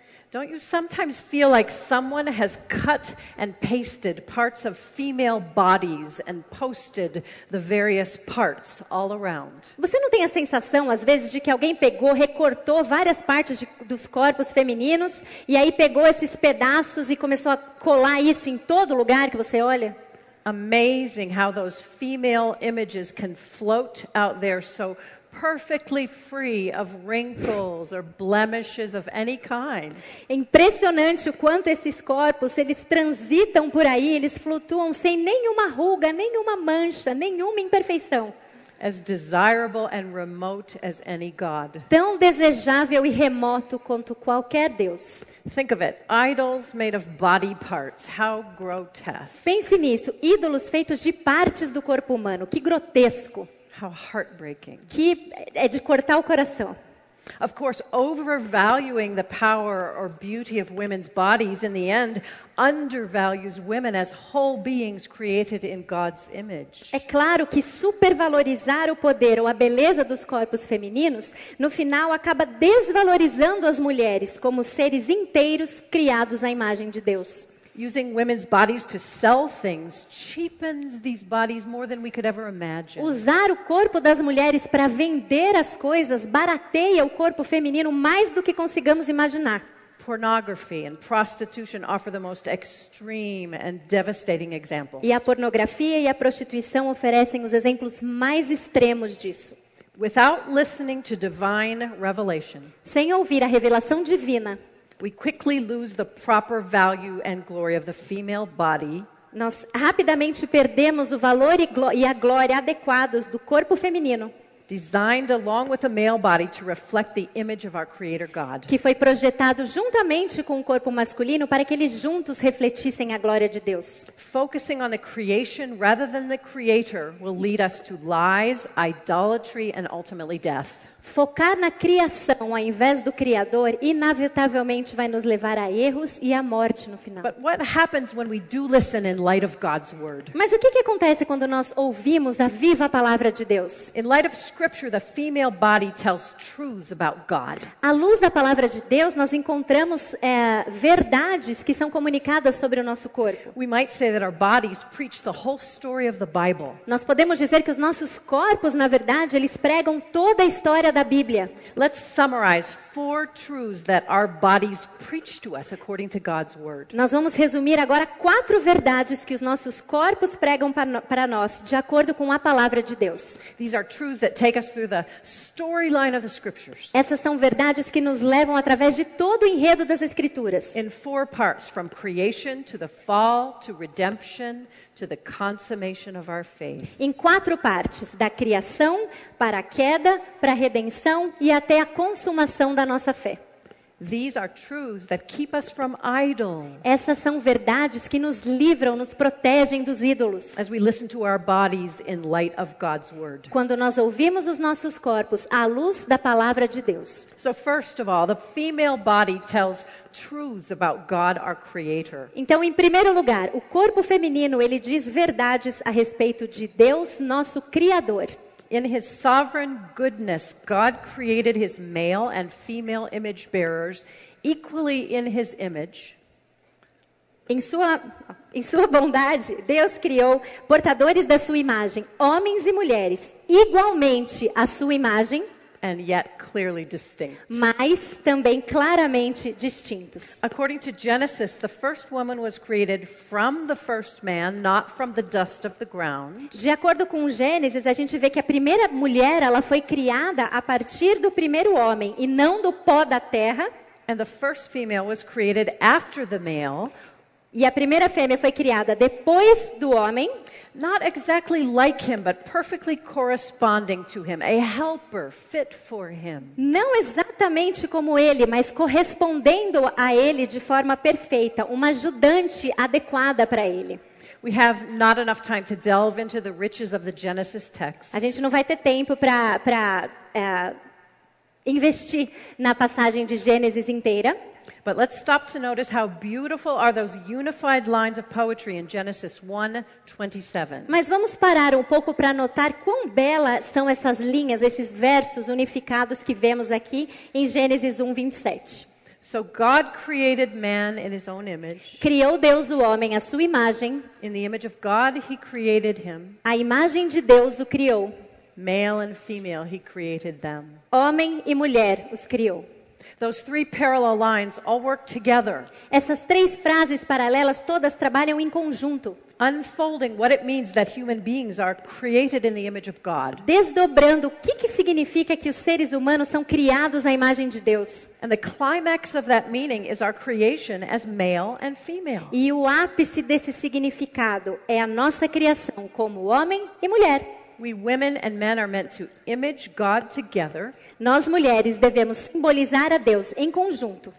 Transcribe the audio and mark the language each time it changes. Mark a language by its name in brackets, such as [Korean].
[English] don't you sometimes feel like someone has cut and pasted parts of female bodies and posted the various parts all around? [Portuguese] Você não tem a sensação às vezes de que alguém pegou, recortou várias partes dos corpos femininos e aí pegou esses pedaços e começou a colar isso em todo lugar que você olha? [English] Amazing how those female images can float out there so perfectly free of wrinkles or blemishes of any kind. [Portuguese] Impressionante o quanto esses corpos, eles transitam por aí, eles flutuam sem nenhuma ruga, nenhuma mancha, nenhuma imperfeição. [English] As desirable and remote as any god. [Portuguese] Tão desejável e remoto quanto qualquer deus. [English] Think of it, idols made of body parts. How grotesque. [Portuguese] Pense nisso, ídolos feitos de partes do corpo humano. Que grotesco. [English] How heartbreaking. [Portuguese] Que é de cortar o coração. [English] Of course, overvaluing the power or beauty of women's bodies in the end undervalues women as whole beings created in God's image. [Portuguese] É claro que supervalorizar o poder ou a beleza dos corpos femininos, no final, acaba desvalorizando as mulheres como seres inteiros criados à imagem de Deus. [English] Using women's bodies to sell things cheapens these bodies more than we could ever imagine. [Portuguese] Usar o corpo das mulheres para vender as coisas barateia o corpo feminino mais do que consigamos imaginar. [English] Pornography and prostitution offer the most extreme and devastating examples. [Portuguese] E a pornografia e a prostituição oferecem os exemplos mais extremos disso. [English] Without listening to divine revelation. [Portuguese] Sem ouvir a revelação divina. [English] We quickly lose the proper value and glory of the female body. [Portuguese] Nós rapidamente perdemos o valor e a glória adequados do corpo feminino. [English] Designed along with a male body to reflect the image of our Creator God. [Portuguese] Que foi projetado juntamente com o corpo masculino para que eles juntos refletissem a glória de Deus. [English] Focusing on the creation rather than the Creator will lead us to lies, idolatry, and ultimately death. [Portuguese] Focar na criação ao invés do Criador inevitavelmente vai nos levar a erros e à morte no final. [English] But what happens when we do listen in light of God's word? [Portuguese] Mas o que que acontece quando nós ouvimos a viva palavra de Deus? [English] In light of scripture, the female body tells truths about God. [Portuguese] À luz da palavra de Deus, nós encontramos verdades que são comunicadas sobre o nosso corpo. [English] We might say that our bodies preach the whole story of the Bible. [Portuguese] Nós podemos dizer que os nossos corpos, na verdade, eles pregam toda a história da Bíblia. [English] Let's summarize four truths that our bodies preach to us according to God's word. [Portuguese] Nós vamos resumir agora quatro verdades que os nossos corpos pregam para nós, de acordo com a palavra de Deus. [English] These are truths that take us through the storyline of the scriptures. [Portuguese] Essas são verdades que nos levam através de todo o enredo das escrituras. [English] In four parts, from creation to the fall to redemption to the consummation of our faith. [Portuguese] Em quatro partes, da criação para a queda, para a redenção e até a consumação da nossa fé. [English] These are truths that keep us from idols. [Portuguese] Essas são verdades que nos livram, nos protegem dos ídolos. [English] As we listen to our bodies in light of God's word. [Portuguese] Quando nós ouvimos os nossos corpos à luz da palavra de Deus. [English] So first of all, the female body tells truths about God, our creator. [Portuguese] Então, em primeiro lugar, o corpo feminino, ele diz verdades a respeito de Deus, nosso criador. [English] In his sovereign goodness, God created his male and female image bearers equally in his image. [Portuguese] Em sua bondade, Deus criou portadores da sua imagem, homens e mulheres, igualmente à sua imagem. [English] And yet clearly distinct. [Portuguese] Mas também claramente distintos. [English] According to Genesis, the first woman was created from the first man, not from the dust of the ground. [Portuguese] De acordo com Gênesis, a gente vê que a primeira mulher, ela foi criada a partir do primeiro homem e não do pó da terra. [English] And the first female was created after the male. [Portuguese] E a primeira fêmea foi criada depois do homem. [English] Not exactly like him, but perfectly corresponding to him, a helper fit for him. [Portuguese] Não exatamente como ele, mas correspondendo a ele de forma perfeita, uma ajudante adequada para ele. [English] We have not enough time to delve into the riches of the Genesis text. [Portuguese] A gente não vai ter tempo para investir na passagem de Gênesis inteira. [English] But let's stop to notice how beautiful are those unified lines of poetry in Genesis 1:27. [Portuguese] Mas vamos parar um pouco para notar quão belas são essas linhas, esses versos unificados que vemos aqui em Gênesis 1:27. [English] So God created man in his own image. [Portuguese] Criou Deus o homem à sua imagem. [English] In the image of God he created him. [Portuguese] A imagem de Deus o criou. [English] Male and female he created them. [Portuguese] Homem e mulher os criou. [English] Those three parallel lines all work together. [Portuguese] Essas três frases paralelas todas trabalham em conjunto. [English] Unfolding what it means that human beings are created in the image of God. [Portuguese] Desdobrando o que que significa que os seres humanos são criados à imagem de Deus. [English] And the climax of that meaning is our creation as male and female. [Portuguese] E o ápice desse significado é a nossa criação como homem e mulher. [English] We women and men are meant to image God together. [Portuguese] Nós mulheres devemos simbolizar a Deus em conjunto.